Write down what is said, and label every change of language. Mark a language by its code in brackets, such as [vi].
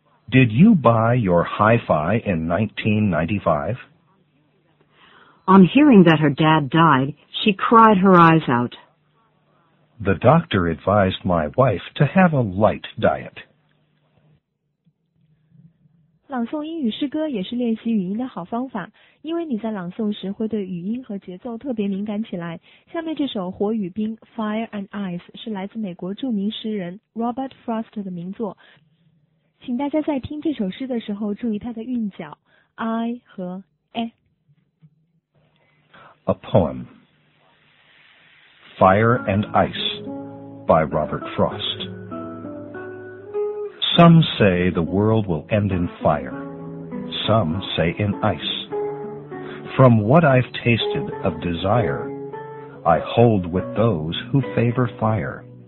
[en] Did you buy your hi-fi in 1995? On hearing that her dad died, she cried her eyes out. The doctor advised my wife to have a light diet. [zh] 朗诵英语诗歌也是练习语音的好方法，因为你在朗诵时会对语音和节奏特别敏感起来。下面这首《火与冰》（Fire and Ice） 是来自美国著名诗人 Robert Frost 的名作。请大家在听这首诗的时候注意它的韵脚 I 和 A。 [en] A poem, Fire and Ice, by Robert Frost. Some say the world will end in fire. Some say in ice. From what I've tasted of desire, I hold with those who favor fire.